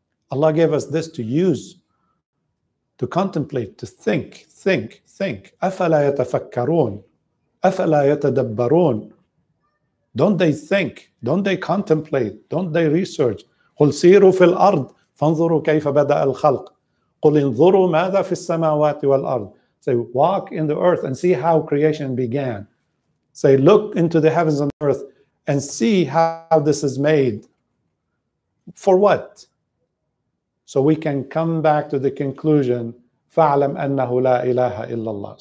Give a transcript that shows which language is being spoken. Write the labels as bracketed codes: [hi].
[en] Allah gave us this to use, to contemplate, to think, think, think. [ar] أَفَلَا يَتَفَكَّرُونَ أَفَلَا يَتَدَبَّرُونَ. [en] Don't they think? Don't they contemplate? Don't they research? [ar] قُلْ سِيرُوا فِي الْأَرْضِ فانظروا كيف بدأ الخلق. قل انظروا ماذا في السماوات والأرض. [en] Say, walk in the earth and see how creation began. Say, look into the heavens and earth and see how this is made. For what? So we can come back to the conclusion, [ar] فَعْلَمْ أَنَّهُ لَا إِلَهَ إِلَّا اللَّهُ.